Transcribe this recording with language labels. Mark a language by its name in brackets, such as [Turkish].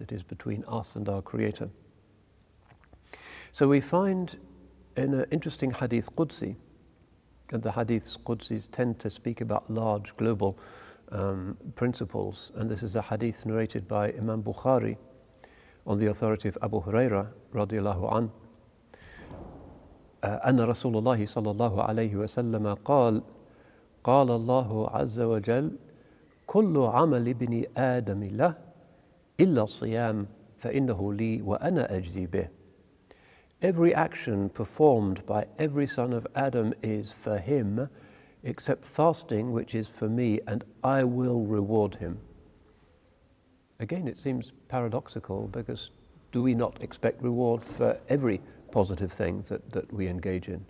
[English] It is between us and our Creator. So we find in an interesting hadith Qudsi, and the hadiths Qudsis tend to speak about large global principles, and this is a hadith narrated by Imam Bukhari on the authority of Abu Huraira radiallahu an. [Arabic] Anna Rasulullah sallallahu alayhi wa sallam قال الله عز وجل كل عمل ابن آدم له إلا الصيام فإنه لي وأنا أجزي به. [English] Every action performed by every son of Adam is for him, except fasting, which is for me, and I will reward him. Again, it seems paradoxical, because do we not expect reward for every positive thing that we engage in?